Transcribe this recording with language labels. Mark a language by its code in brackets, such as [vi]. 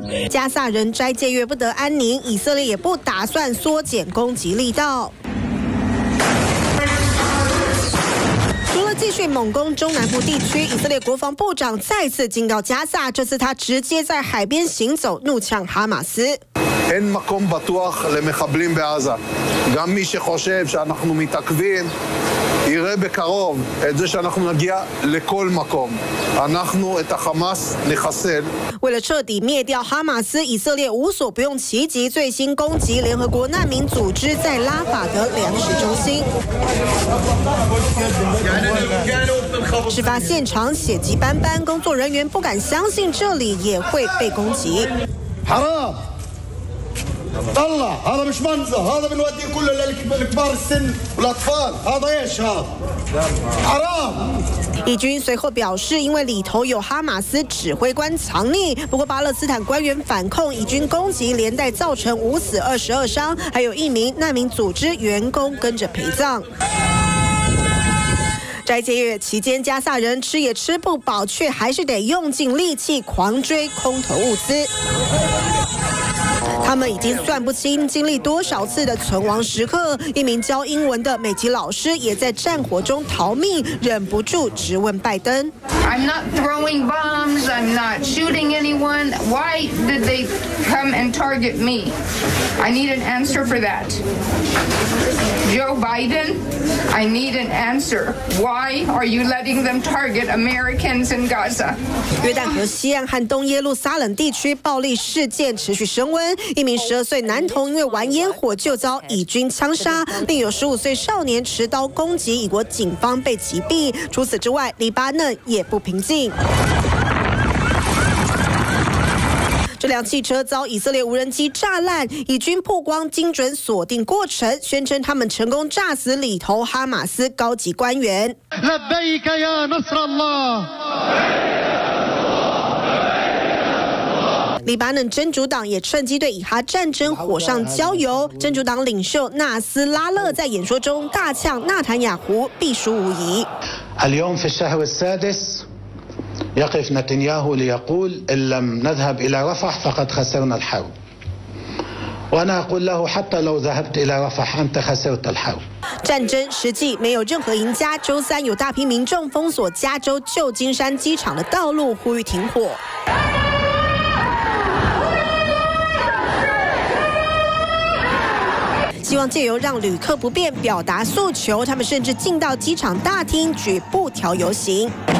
[zh] 加萨人斋戒月不得安宁，以色列也不打算缩减攻击力道。继续猛攻中南部地区，以色列国防部长再次警告加萨，这次他直接在海边行走，怒呛哈马斯。 [he] אין מקום בטוח למחבלים בעזה. גם מי שחושב שאנחנו מתעכבים, יראה בקרוב את זה שאנחנו נגיע לכל מקום. אנחנו את החמאס נחסל. [zh] 为了彻底灭掉哈马斯，以色列无所不用其极，最新攻击联合国难民组织在拉法的粮食中心。事发现场血迹斑斑，工作人员不敢相信这里也会被攻击。 [ar] طلع هذا مش منظر هذا بنودي كله للكبار السن والاطفال هذا ايش هذا حرام [zh] 以军随后表示，因为里头有哈马斯指挥官藏匿，不过巴勒斯坦官员反控以军攻击连带造成5死22伤，还有一名难民组织员工跟着陪葬。斋戒月期间，加萨人吃也吃不饱，却还是得用尽力气狂追空投物资。他们已经算不清经历多少次的存亡时刻，一名教英文的美籍老师也在战火中逃命，忍不住质问拜登。 [en] I'm not throwing bombs, I'm not shooting anyone. Why did they come and target me? I need an answer for that. Joe Biden, I need an answer. Why are you letting them target Americans in Gaza? [zh] 约旦河西岸和东耶路撒冷地区暴力事件持续升温，一名12岁男童因为玩烟火就遭以军枪杀，另有15岁少年持刀攻击以国警方被击毙。除此之外，黎巴嫩也不平静。这辆汽车遭以色列无人机炸烂，以军曝光精准锁定过程，宣称他们成功炸死里头哈马斯高级官员。黎巴嫩真主党也趁机对以哈战争火上浇油，真主党领袖纳斯拉勒在演说中大呛纳坦雅胡必输无疑。 [ar] اليوم في الشهر السادس يقف نتنياهو ليقول إن لم نذهب إلى رفح فقد خسرنا الحرب. وأنا أقول له حتى لو ذهبت إلى رفح أنت خسرت الحرب. [zh] 战争实际没有任何赢家。周三有大批民众封锁加州旧金山机场的道路，呼吁停火。望借由让旅客不便表达诉求，他们甚至进到机场大厅举布条游行。